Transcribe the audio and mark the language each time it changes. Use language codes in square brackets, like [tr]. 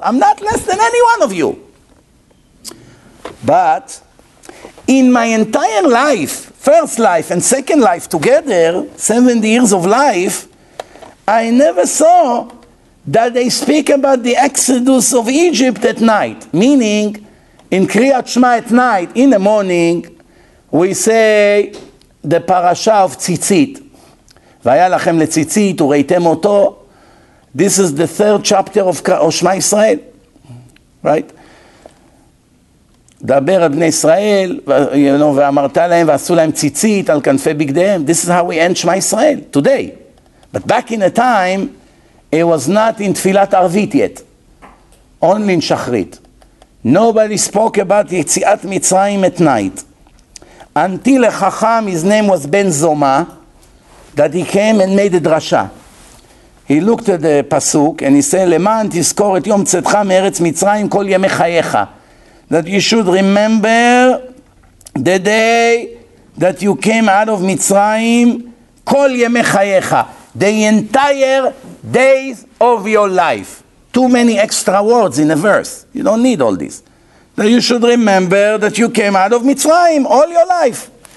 [en] I'm not less than any one of you. But in my entire life, first life and second life together, 70 years of life, I never saw that they speak about the exodus of Egypt at night, meaning in Kriyat Shema at night, in the morning, we say the parasha of Tzitzit. [he] V'ayah lachem le'tzitzit, ureitem oto. [en] This is the third chapter of Shema Yisrael, right? [he] דבר על בני ישראל, [en] you know, [he] ואמרת להם, ועשו להם ציצית על כנפי בגדיהם. [en] This is how we end Shema Yisrael, today. But back in the time, it was not in תפילת ערבית yet. Only in שחרית. Nobody spoke about יציאת מצרים at night. Until a chacham, his name was Ben Zoma, that he came and made a drasha. He looked at the pasuk, and he said, [he] למען תזכור את יום צאתך מארץ מצרים כל ימי חייך. [en] That you should remember the day that you came out of Mitzrayim [he] kol yemei chayecha, [en] the entire days of your life. Too many extra words in a verse. You don't need all this. That you should remember that you came out of Mitzrayim all your life.